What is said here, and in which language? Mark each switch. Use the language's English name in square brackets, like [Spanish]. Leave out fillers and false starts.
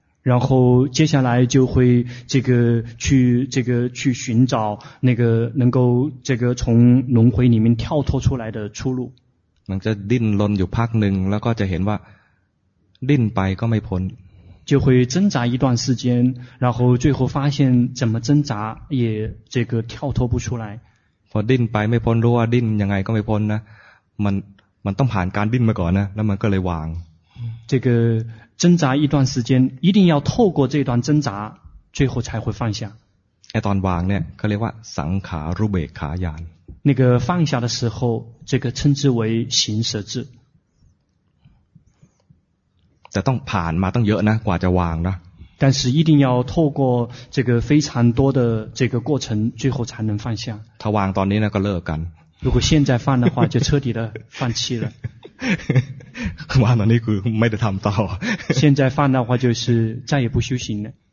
[Chinese] 然后接下来就会这个去这个去寻找那个能够这个从轮回里面跳脱出来的出路。 [Thai] มันจะดิ้นรนอยู่พักหนึ่งแล้วก็จะเห็นว่าดิ้นไปก็ไม่พ้น [Chinese] 就会挣扎一段时间，然后最后发现怎么挣扎也这个跳脱不出来。 [Thai] พอดิ้นไปไม่พ้นรู้ว่าดิ้นยังไงก็ไม่พ้นนะมันต้องผ่านการดิ้นมาก่อนนะแล้วมันก็เลยวาง [Chinese] 这个挣扎一段时间，一定要透过这段挣扎，最后才会放下。 [Thai] ไอ้ตอนวางเนี่ยเขาเรียกว่าสังขารุเบกขาญาณ [Chinese] 那个放下的时候，这个称之为行舍智。 [Thai] จะต้องผ่านมาต้องเยอะนะกว่าจะวางนะ [Chinese] 但是一定要透过这个非常多的这个过程，最后才能放下。 [Thai] ถ้าวางตอนนี้นะก็เลิกกัน [Chinese] 如果现在放的话，就彻底的放弃了。妈的，那个没得谈到。现在放的话，就是再也不修行了。